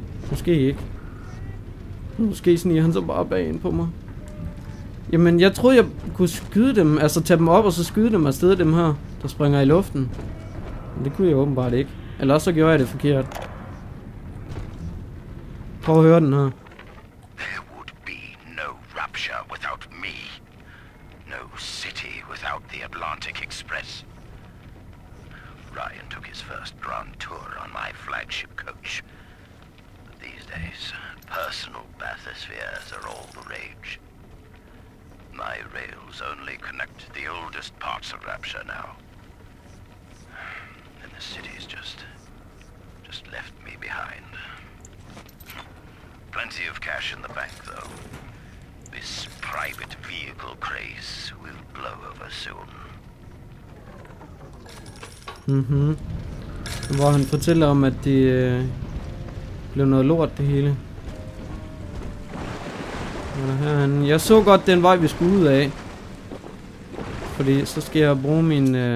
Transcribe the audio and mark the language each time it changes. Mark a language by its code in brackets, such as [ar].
[da] Måske ikke. Måske sniger han så bare bagen på mig. Jamen, jeg troede, jeg kunne skyde dem. Altså, tage dem op og så skyde dem afsted, dem her, der springer i luften. Men det kunne jeg åbenbart ikke. Eller så gjorde jeg det forkert. Prøv at høre den her. [en] There would be no rupture without me. No city without the Atlantic Express. Ryan took his first grand tour on my flagship coach. These days, personal bathyspheres are all the rage. My rails only connect the oldest parts of Rapture now. And the city's just left me behind. Plenty of cash in the bank, though. This private vehicle craze will blow over soon. Mm-hmm. [da] Hvor han fortæller om, at det blev noget lort, det hele. Jeg så godt den vej, vi skulle ud af. Fordi så skal jeg bruge min...